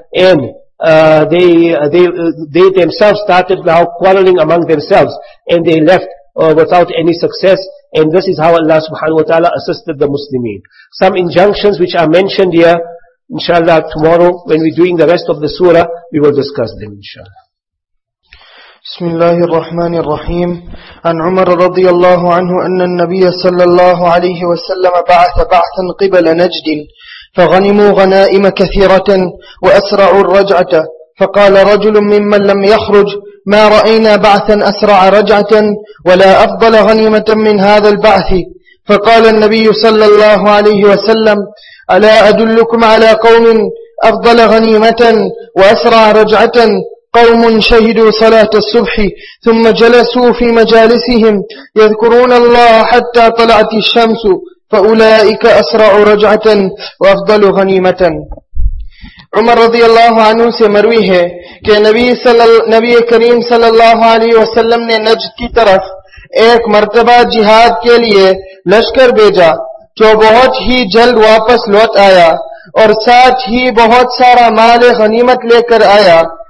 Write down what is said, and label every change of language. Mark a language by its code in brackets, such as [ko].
[en] And they themselves started now quarreling among themselves. And they left without any success. And this is how Allah subhanahu wa ta'ala assisted the Muslimin. Some injunctions which are mentioned here, inshallah, tomorrow when we're doing the rest of the surah, we will discuss them, inshallah. [ar] بسم الله الرحمن الرحيم. عن عمر رضي الله عنه أن النبي صلى الله عليه وسلم بعث قبل نجد فغنموا غنائم كثيرة وأسرعوا الرجعة. فقال رجل ممن لم يخرج: ما رأينا بعثا أسرع رجعة ولا أفضل غنيمة من هذا البعث. فقال النبي صلى الله عليه وسلم: ألا أدلكم على قوم أفضل غنيمة وأسرع رجعة؟ قوم شهدوا صلاة الصبح ثم جلسوا في مجالسهم يذكرون الله حتى طلعت الشمس، فأولئك أسرع رجعة وأفضل غنيمة. [ur] عمر رضی اللہ عنہ سے مروی ہے کہ نبی کریم صلی اللہ علیہ وسلم نے نجد کی طرف ایک مرتبہ جہاد کے لیے لشکر بھیجا، جو بہت ہی جلد واپس لوٹ آیا اور ساتھ ہی بہت سارا مال غنیمت لے کر آیا.